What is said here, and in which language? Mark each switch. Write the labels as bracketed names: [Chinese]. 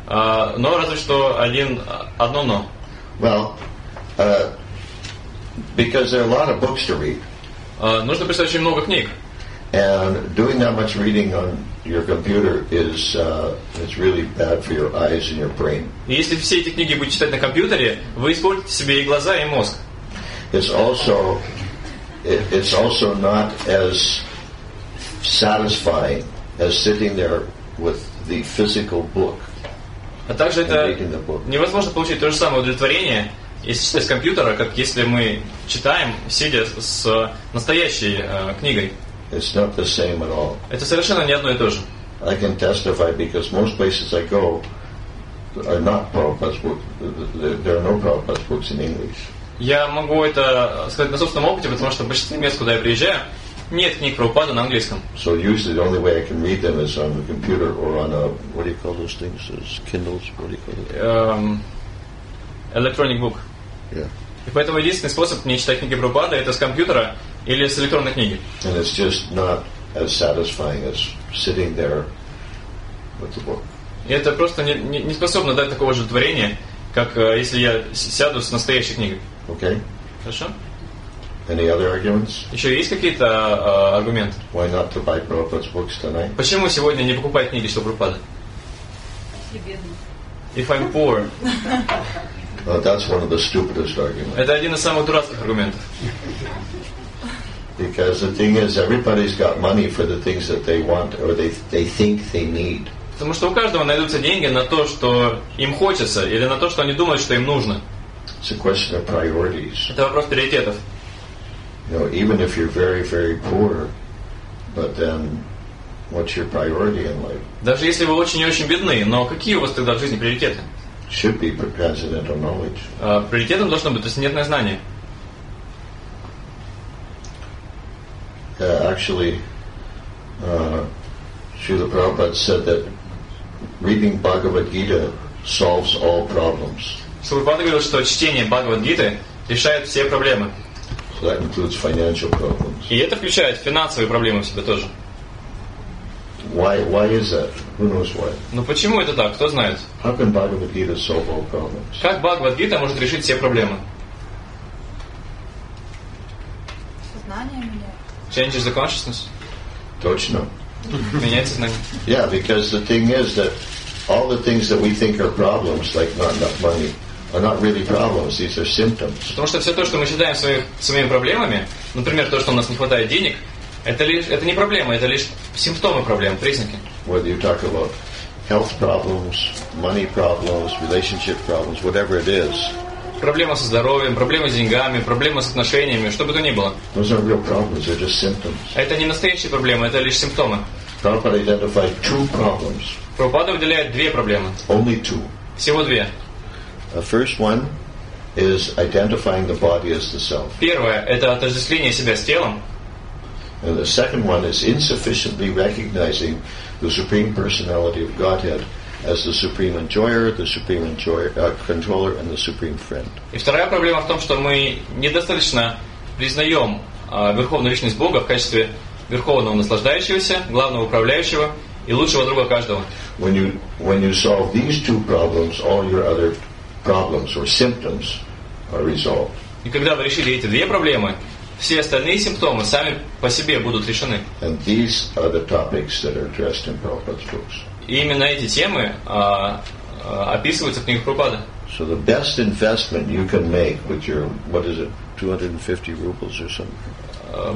[Russian] Но разве что один одно но. [English] Well, because there are a lot of books to read. [Russian] Нужно писать очень много книг. [English] And doing that much reading on your computer is it's really bad for your eyes and your brain. [Russian] И если все эти книги будете читать на компьютере, вы испортите себе и глаза, и мозг. [English] It's also not as satisfying as sitting there with the physical book. [Russian] А также это невозможно получить то же самое удовлетворение, если читать с компьютера, как если мы читаем, сидя с настоящей книгой. [English] It's not the same at all. [Russian] Это совершенно не одно и то же. [English] I can testify because most places I go are not Prabhupada's books. There are no Prabhupada's books in English. [Russian] Я могу это сказать на собственном опыте, потому что в большинстве мест, куда я приезжаю, нет книг Прабхупады на английском. [English] So usually the only way I can read them is on the computer or on a what do you call those things? Is Kindles? What do you call it? Electronic book. Yeah. [Russian] И поэтому единственный способ мне читать книги Прабхупады это с компьютера или с электронной книги. [English] And it's just not as satisfying as sitting there with the book. [Russian] И это просто не способно дать такого же удовлетворения, как если я сяду с настоящей книгой. [English] Okay. [Russian] Хорошо. [English] Any other arguments? [Russian] Еще есть какие-то аргументы? [English] Why not to buy Prabhupada's books tonight? [Russian] Почему сегодня не покупать книги, чтобы Прабхупады? Если бедный. [English] If I'm poor. Well, that's one of the stupidest arguments. [Russian] Это один из самых дурацких аргументов. [English] Because the thing is, everybody's got money for the things that they want or they think they need. [Russian] Потому что у каждого найдутся деньги на то, что им хочется, или на то, что они думают, что им нужно. [English] It's a question of priorities. [Russian] Это вопрос приоритетов. [English] You know, even if you're very, very poor, but then what's your priority in life? [Russian] Даже если вы очень и очень бедны, но какие у вас тогда в жизни приоритеты? [English] Should be transcendental knowledge. [Russian] Приоритетом должно быть трансцендентное знание. [English] Actually, Srila Prabhupada said that reading Bhagavad Gita solves all problems. [Russian] Прабхупада говорил, что чтение Бхагавад-гиты решает все проблемы. [English] So that includes financial problems. [Russian] И это включает финансовые проблемы в себе тоже. [English] Why is that? Who knows why? [Russian] Но почему это так? Кто знает? [English] How can Bhagavad-gita solve all problems? [Russian] Как Бхагавад-гита может решить все проблемы? Сознание меняет. [English] Changes the consciousness? [Russian] Точно. Меняется сознание. [English] Yeah, because the thing is that all the things that we think are problems, like not enough money, are not really problems. These are symptoms. [Russian] Потому что все то, что мы считаем своими проблемами, например, то, что у нас не хватает денег, это не проблема, это лишь симптомы проблем, признаки. [English] Whether you talk about health problems, money problems, relationship problems, whatever it is. [Russian] Проблема со здоровьем, проблема с деньгами, проблема с отношениями, что бы то ни было. [English] Those aren't real problems. They're just symptoms. [Russian] Это не настоящие проблемы, это лишь симптомы. [English] Prabhupada identified two problems. [Russian] Прабхупада выделяет две проблемы. [English] Only two. [Russian] Всего две. [English] The first one is identifying the body as the self. [Russian] Первое – это отождествление себя с телом. [English] And the second one is insufficiently recognizing the supreme personality of Godhead as the supreme enjoyer, the supreme controller, and the supreme friend. [Russian] И вторая проблема в том, что мы недостаточно признаем верховную личность Бога в качестве верховного наслаждающегося, главного управляющего и лучшего друга каждого. [English] When you solve these two problems, all your other problems or symptoms are resolved. [Russian] И когда вы решили эти две проблемы, все остальные симптомы сами по себе будут решены. [English] And these are the topics that are addressed in Prabhupada's books. [Russian] И именно эти темы описываются в книгах Прабхупады. [English] So the best investment you can make with your what is it, 250 rubles or something?